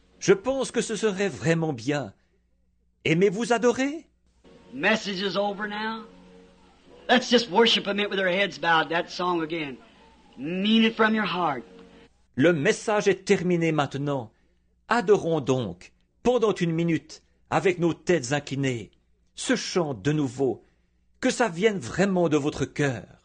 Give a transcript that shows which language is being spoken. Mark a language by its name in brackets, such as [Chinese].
[French] Je pense que ce serait vraiment bien. Aimez-vous adorer? [English] Message is over now. Let's just worship a minute with our heads bowed. That song again. Mean it from your heart. [French] Le message est terminé maintenant. Adorons donc, pendant une minute, avec nos têtes inclinées, ce chant de nouveau. Que ça vienne vraiment de votre cœur.